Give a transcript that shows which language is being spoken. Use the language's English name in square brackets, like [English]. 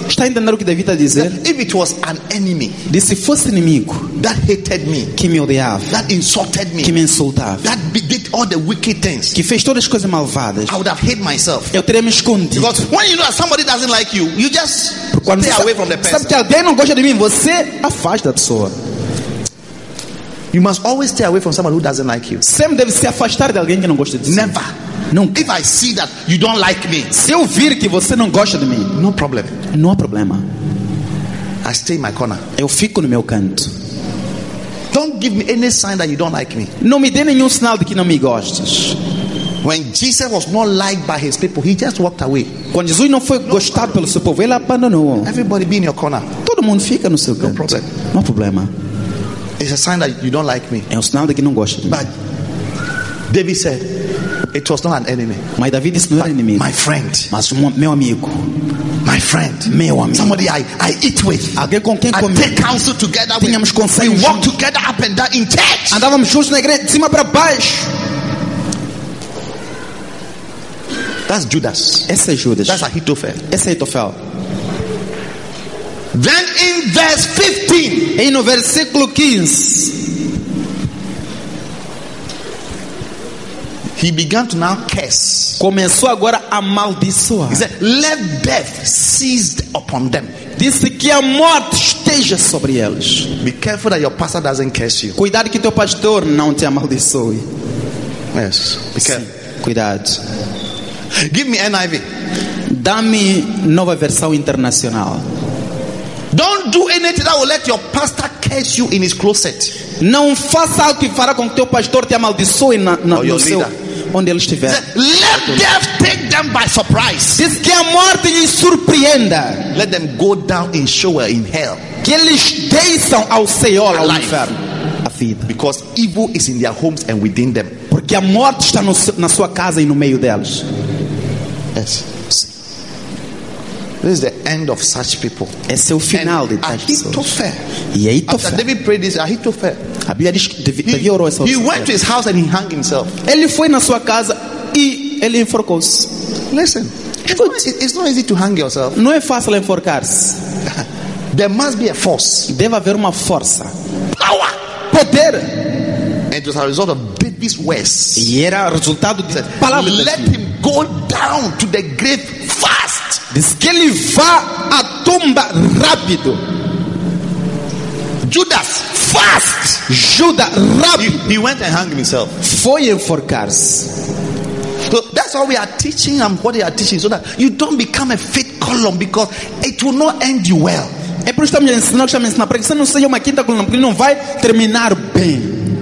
[Portuguese] Está entendendo o que David está dizendo? [English] If it was an enemy, [Portuguese] disse, fosse inimigo, [English] that hated me, [Portuguese] que me odiava, [English] that insulted me, [Portuguese] que me insultava, [English] that did all the wicked things, [Portuguese] que fez todas as coisas malvadas, [English] I would have hid myself. [Portuguese] Eu teria me escondido. [English] Because when you know that somebody doesn't like you, you just stay away from the person. [Portuguese] Sabe que alguém não gosta de mim, você afasta da pessoa. [English] You must always stay away from someone who doesn't like you. [Portuguese] Sempre deve se afastar de alguém que não gosta de você. [English] Never. [Portuguese] Nunca. [English] If I see that you don't like me, [Portuguese] se eu vir que você não gosta de mim, [English] no problem. [Portuguese] Não há problema. [English] I stay in my corner. [Portuguese] Eu fico no meu canto. [English] Don't give me any sign that you don't like me. [Portuguese] Não me dê nenhum sinal de que não me gostes. [English] When Jesus was not liked by his people, he just walked away. [Portuguese] Quando Jesus não foi gostado pelo seu povo, ele abandonou. [English] Everybody be in your corner. [Portuguese] Todo mundo fica no seu canto. [English] No problem. [Portuguese] Não há problema. [English] It's a sign that you don't like me. [Portuguese] É um sinal de que não gosta de mim. [English] But David said, it was not an enemy. My David is not an enemy. My friend. [Portuguese] Mas meu amigo. [English] My friend. [Portuguese] Meu amigo. [English] Somebody I eat with. [Portuguese] Alguém com quem [English] I [Portuguese] comigo. [English] Take counsel together. [Portuguese] Tínhamos conselho. [English] We walk together up and down in church. [Portuguese] Andávamos juntos na igreja, de cima para baixo. [English] That's Judas. [Portuguese] Esse é Judas. [English] That's Ahitophel. [Portuguese] Esse é Ahitophel. [English] Then in verse 15. [Portuguese] E no versículo 15. [English] He began to now curse. [Portuguese] Começou agora a amaldiçoar. [English] He said, let death seize upon them. [Portuguese] Disse que a morte esteja sobre eles. [English] Be careful that your pastor doesn't curse you. [Portuguese] Cuidado que teu pastor não te amaldiçoe. [English] Yes. Be careful. [Portuguese] Cuidado. [English] Give me NIV. [Portuguese] Dá-me nova versão internacional. [English] Don't do anything that will let your pastor curse you in his closet. [Portuguese] Não faça algo que fará com que teu pastor te amaldiçoe no seu, onde ele estiver. [English] Let death take them by surprise. [Portuguese] Diz que a morte lhe surpreenda. [English] Let them go down in shower in hell. [Portuguese] Que eles desçam ao Seol, ao inferno. A vida. [English] Because evil is in their homes and within them. [Portuguese] Porque a morte está no, na sua casa e no meio deles. [English] Yes. This is the end of such people. [Portuguese] Esse é o final de tais pessoas. [English] Ahitofel. [Portuguese] E Ahitofel. [English] After David prayed this, Ahitofel. [Portuguese] A Bíblia diz que Davi orou essa oração. [English] He went to his house and he hung himself. [Portuguese] Ele foi na sua casa e ele enforcou-se. [English] Listen. It's not easy to hang yourself. [Portuguese] Não é fácil enforcar-se. [English] There must be a force. [Portuguese] Deve haver uma força. [English] Power. [Portuguese] Poder. [English] And it was a result of David's words. [Portuguese] E era resultado de palavras. [English] Let him go down to the grave fast. [Portuguese] Diz que ele vá à tumba rápido. [English] Judas, fast. [Portuguese] Judas, rápido. [English] He went and hung himself. [Portuguese] Foi enforcar-se. [English] So that's why we are teaching and what they are teaching, so that you don't become a faith column, because it will not end you well. [Portuguese] É por isso que estamos a ensinar, porque você não seja uma quinta coluna, porque não vai terminar bem.